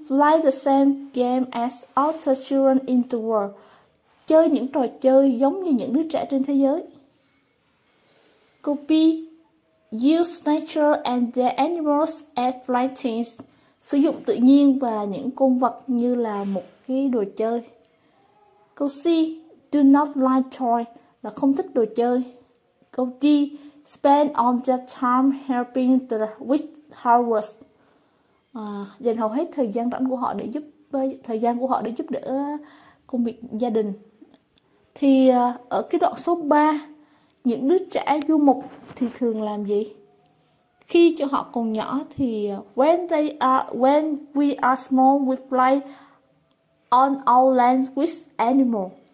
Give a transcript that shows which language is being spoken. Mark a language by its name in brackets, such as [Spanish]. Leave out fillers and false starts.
[English] Play the same game as other children in the world. [Vietnamese] Chơi những trò chơi giống như những đứa trẻ trên thế giới. Câu B. [English] Use nature and the animals as playthings. [Vietnamese] Sử dụng tự nhiên và những con vật như là một cái đồ chơi. Câu C. [English] Do not like toy [Vietnamese] là không thích đồ chơi. Câu D. [English] Spend all their time helping the wheat harvest. [Vietnamese] Dành hầu hết thời gian rảnh của họ để giúp thời gian của họ để giúp đỡ công việc gia đình. Thì ở cái đoạn số 3, những đứa trẻ du mục thì thường làm gì? Khi cho họ còn nhỏ thì [English] when we are small, we play on our land with animals.